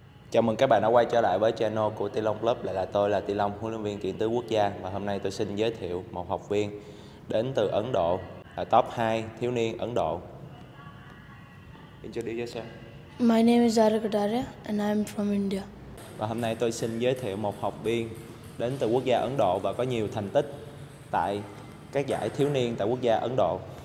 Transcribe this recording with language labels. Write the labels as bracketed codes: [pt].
[vi] Chào mừng các bạn đã quay trở lại với channel của Tỷ Long Club. Lại là tôi, là Tỷ Long, huấn luyện viên kiện tướng quốc gia. Và hôm nay tôi xin giới thiệu một học viên đến từ Ấn Độ, là top 2 thiếu niên Ấn Độ. [en] Introduce yourself. My name is Arya Kataria and I'm from India. [vi] Và hôm nay tôi xin giới thiệu một học viên đến từ quốc gia Ấn Độ và có nhiều thành tích tại các giải thiếu niên tại quốc gia Ấn Độ.